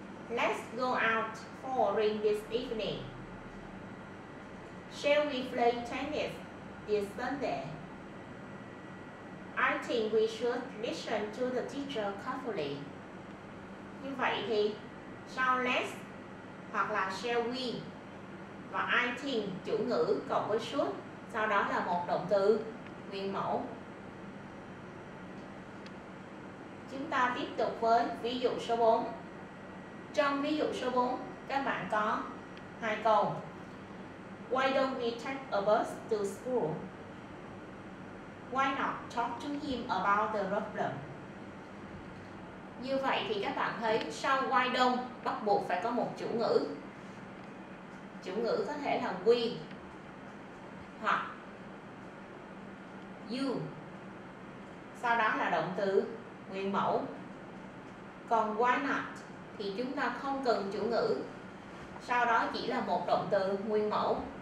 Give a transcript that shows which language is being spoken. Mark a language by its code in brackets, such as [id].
[en] Let's go out for a drink this evening. Shall we play tennis this Sunday? I think we should listen to the teacher carefully. [vi] Như vậy thì sau let's hoặc là shall we và I think chủ ngữ cộng với should, sau đó là một động từ nguyên mẫu. Chúng ta tiếp tục với ví dụ số 4. Trong ví dụ số 4, các bạn có hai câu. [en] Why don't we take a bus to school? Why not talk to him about the problem? [vi] Như vậy thì các bạn thấy sau why don't bắt buộc phải có một chủ ngữ. Chủ ngữ có thể là we hoặc you. Sau đó là động từ nguyên mẫu. Còn why not thì chúng ta không cần chủ ngữ, sau đó chỉ là một động từ nguyên mẫu.